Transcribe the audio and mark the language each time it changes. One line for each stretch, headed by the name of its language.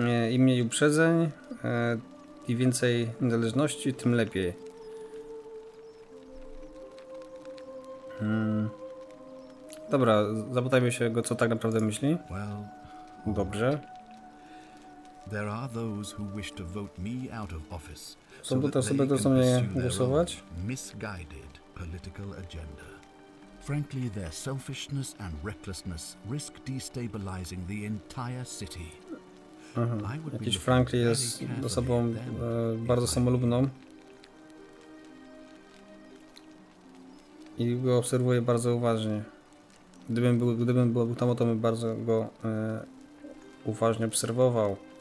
Polish: Im mniej uprzedzeń i więcej niezależności, tym lepiej. Dobra, zapytajmy się go, co tak naprawdę myśli. Dobrze.
English: There are those who wish to vote me out of office.
Polish: Są to te osoby, które chcą mnie głosować.
English: Misguided political agenda. Frankly, their selfishness and recklessness risk destabilizing the entire city.
Polish: Jakiś Franklin jest osobą bardzo samolubną i go obserwuję bardzo uważnie. Gdybym był tam, to bym bardzo go uważnie obserwował.